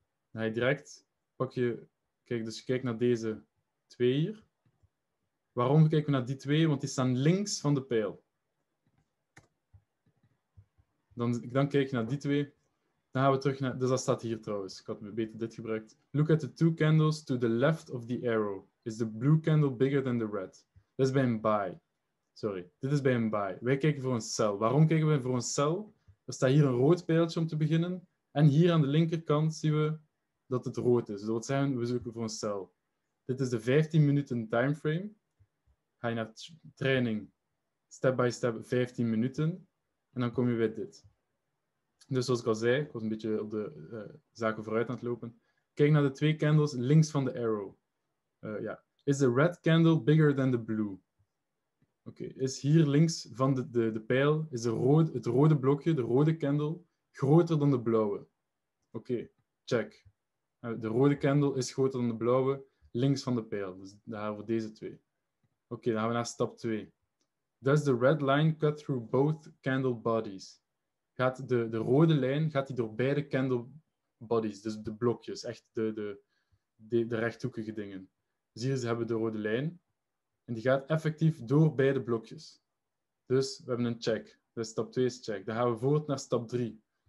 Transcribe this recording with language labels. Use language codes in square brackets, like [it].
[nl] Dan ga je direct, kijk naar deze twee hier. Waarom kijken we naar die twee? Want die staan links van de pijl. Dan kijk je naar die twee. Dan gaan we terug naar... Dus dat staat hier trouwens. Ik had beter dit gebruikt. [en] Look at the two candles to the left of the arrow. Is the blue candle bigger than the red? [nl] Dit is bij een buy. Sorry, dit is bij een buy. Wij kijken voor een sell. Waarom kijken we voor een sell? Er staat hier een rood pijltje om te beginnen. En hier aan de linkerkant zien we dat het rood is. Dat wil zeggen, we zoeken voor een sell. Dit is de 15 minuten timeframe. Ga je naar training. [en] Step by step [nl] 15 minuten. En dan kom je bij dit. Dus zoals ik al zei, ik was een beetje op de zaken vooruit aan het lopen. Kijk naar de twee candles links van de arrow. [en] Is the red candle bigger than the blue? [nl] Oké, is hier links van de pijl, is het rode blokje, de rode candle, groter dan de blauwe? Oké, check. De rode candle is groter dan de blauwe, links van de pijl. Dus daarvoor deze twee. Oké, dan gaan we naar stap 2. [en] Does the red line cut through both candle bodies? [nl] Gaat de rode lijn gaat die door beide candle bodies, dus de blokjes, echt de rechthoekige dingen. Dus hier hebben we de rode lijn. En die gaat effectief door beide blokjes. Dus we hebben een check. Dus stap 2 is check. Dan gaan we voort naar stap 3.